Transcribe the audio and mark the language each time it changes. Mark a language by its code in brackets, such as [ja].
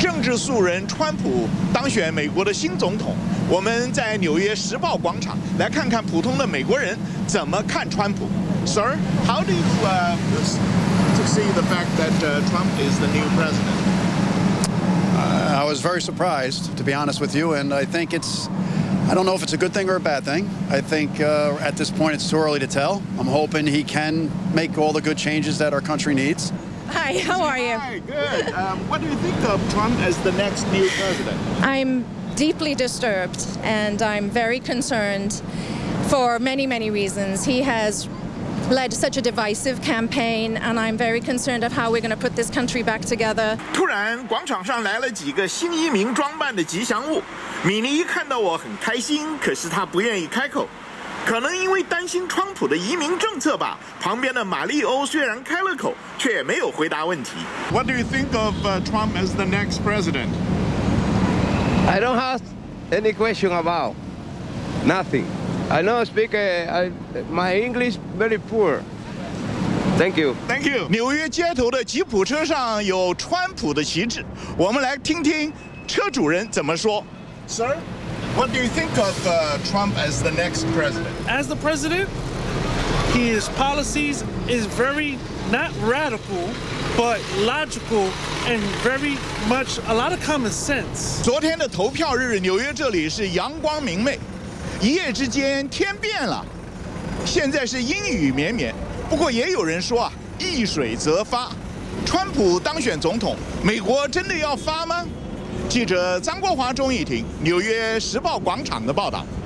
[zh] 治素人川普当选美国的新总统，我们在纽约时报广场来看看普通的美国人怎么看川普。 [en] Sir, how do you see the fact that Trump is the new president? I was very surprised, to be honest with you, and I think it's, I don't know if it's a good thing or a bad thing. I think at this point it's too early to tell. I'm hoping he can make all the good changes that our country needs. Hi, how are you? Hi, good. What do you think of Trump as the next new president? I'm deeply disturbed and I'm very concerned for many, many reasons. He has led such a divisive campaign, and I'm very concerned of how we're going to put this country back together. [zh] 突然，广场上来了几个新移民装扮的吉祥物。米妮一看到我很开心，可是她不愿意开口，可能因为担心川普的移民政策吧。旁边的玛丽欧虽然开了口，却没有回答问题。 [en] What do you think of Trump as the next president? I don't have any question about nothing. I know speak my English very poor. Thank you. Thank you. 纽约街头的吉普车上有川普的旗帜，我们来听听车主人怎么说。 Sir, what do you think of Trump as the next president? As the president, his policies is very not radical, but logical. And very much a lot of common sense. [zh] 昨天的投票日，纽约这里是阳光明媚，一夜之间天变了，现在是阴雨绵绵。不过也有人说啊，一水则发，川普当选总统，美国真的要发吗？记者张国华、钟义婷，纽约时报广场的报道。